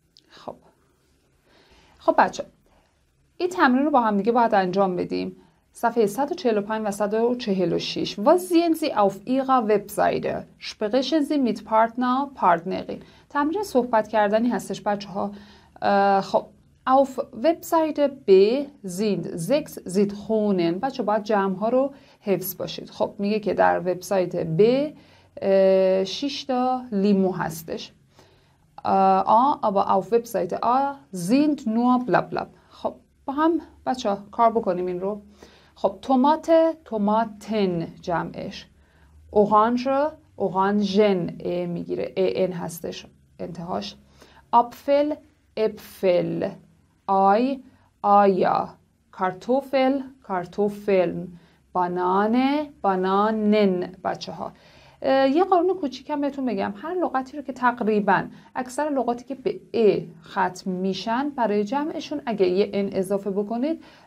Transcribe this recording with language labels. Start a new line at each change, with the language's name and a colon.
Persian: خب خب بچه این تمرین رو با هم دیگه باید انجام بدیم. صفحه 145 و 146.
German: Was sehen Sie auf Ihrer Webseite? Sprechen Sie mit Partner, Partnerin.
Persian: تمرین صحبت کردنی هستش بچه ها. خب
German: Auf Webseite B sind 6 Zitronen.
Persian: بچه باید جمع ها رو حفظ باشید. خب میگه که در وبسایت B 6 تا لیمو هستش.
German: Aber auf Webseite A sind nur bla bla.
Persian: خب با هم بچه ها کار بکنیم این رو. خب tomate, tomaten جمعش.
German: Orange, orangen میگیره.
Persian: EN هستش انتهاش.
German: Apfel, apfel.
Persian: آی آیا کارتوفل کارتوفل بانانه بانانن بچه ها یه قانون کوچیکم بهتون بگم هر لغتی رو که تقریبا اکثر لغاتی که به ا ختم میشن برای جمعشون اگه یه ان اضافه بکنید